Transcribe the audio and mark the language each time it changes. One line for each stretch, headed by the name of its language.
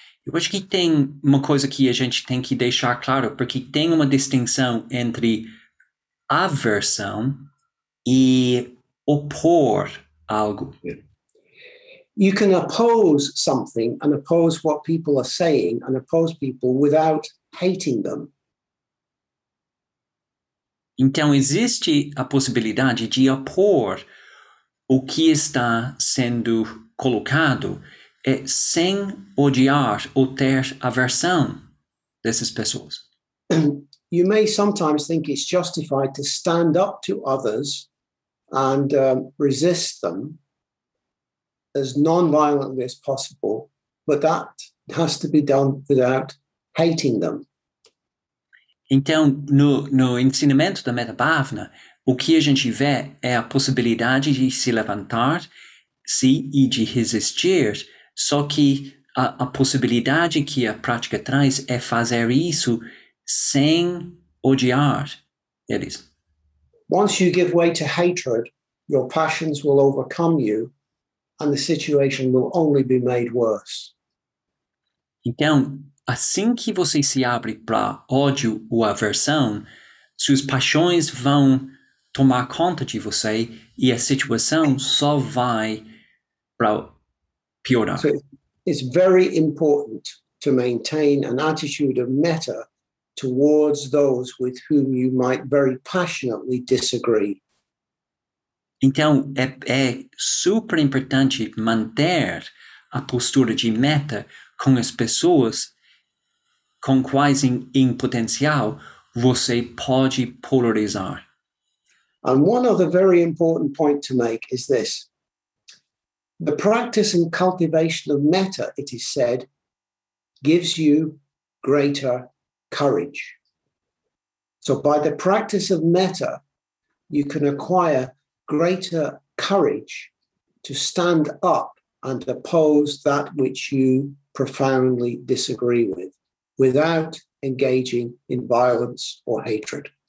Portuguese: Eu acho que tem uma coisa que a gente tem que deixar claro, porque tem uma distinção entre aversão e opor algo.
English: You can oppose something and oppose what people are saying and oppose people without hating them.
Portuguese: Então, existe a possibilidade de opor o que está sendo colocado é sem odiar ou ter aversão dessas pessoas.
English: You may sometimes think it's justified to stand up to others and resist them as non-violently as possible, but that has to be done without hating them.
Portuguese: Então, no ensinamento da Metta-Bhavana, o que a gente vê é a possibilidade de se levantar e de resistir, só que a possibilidade que a prática traz é fazer isso sem odiar eles.
English: Once you give way to hatred, your passions will overcome you and the situation will only be made worse.
Portuguese: Então, assim que você se abre para ódio ou aversão, suas paixões vão tomar conta de você e a situação só vai para piorar.
English: So it's very important to maintain an attitude of metta towards those with whom you might very passionately disagree.
Portuguese: Então, é super importante manter a postura de metta com as pessoas com quais em potencial você pode polarizar.
English: And one other very important point to make is this. The practice and cultivation of metta, it is said, gives you greater courage. So by the practice of metta, you can acquire greater courage to stand up and oppose that which you profoundly disagree with, without engaging in violence or hatred.